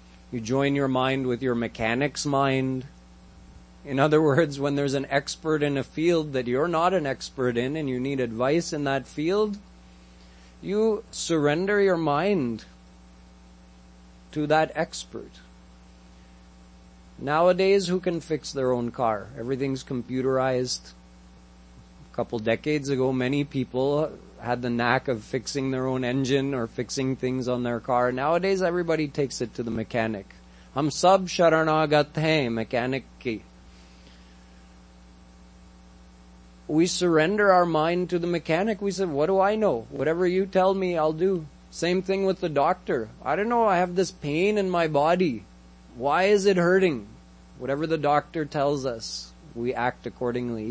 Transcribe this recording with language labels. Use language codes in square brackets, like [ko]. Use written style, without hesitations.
[en] You join your mind with your mechanic's mind. In other words, when there's an expert in a field that you're not an expert in and you need advice in that field, you surrender your mind to that expert. Nowadays, who can fix their own car? Everything's computerized. A couple decades ago, many people had the knack of fixing their own engine or fixing things on their car. Nowadays, everybody takes it to the mechanic. [hi] हम सब शरणागत हैं mechanic की. [en] We surrender our mind to the mechanic. We said, what do I know? Whatever you tell me, I'll do. Same thing with the doctor. I don't know, I have this pain in my body. Why is it hurting? Whatever the doctor tells us, we act accordingly.